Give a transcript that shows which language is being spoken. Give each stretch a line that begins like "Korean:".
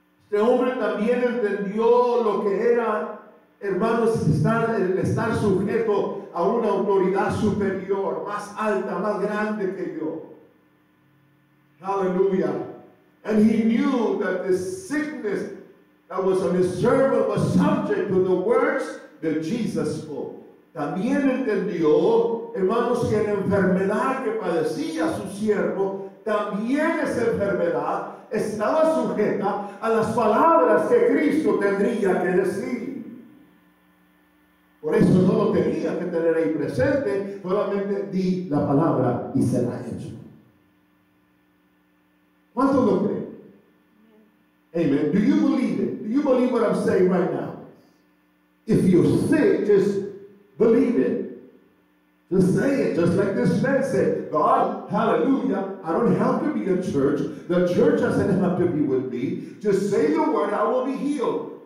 Spanish: Este hombre también entendió lo que era, hermanos, estar sujeto a una autoridad superior, más alta, más grande que yo.
English: Hallelujah. And he knew that the sickness that was on his servant was subject to the words that Jesus spoke.
Spanish: También entendió, hermanos, que la enfermedad que padecía su siervo, también esa enfermedad estaba sujeta a las palabras que Cristo tendría que decir. Por eso no lo tenía que tener ahí presente, solamente di la palabra y se la hecho. ¿Cuánto lo creen?
English: Amen. Do you believe it? Do you believe what I'm saying right now? If you're sick, just believe it. Just say it, just like this man said, God, hallelujah, I don't have to be in church. The church doesn't have to be with me. Just say the word, I will be healed.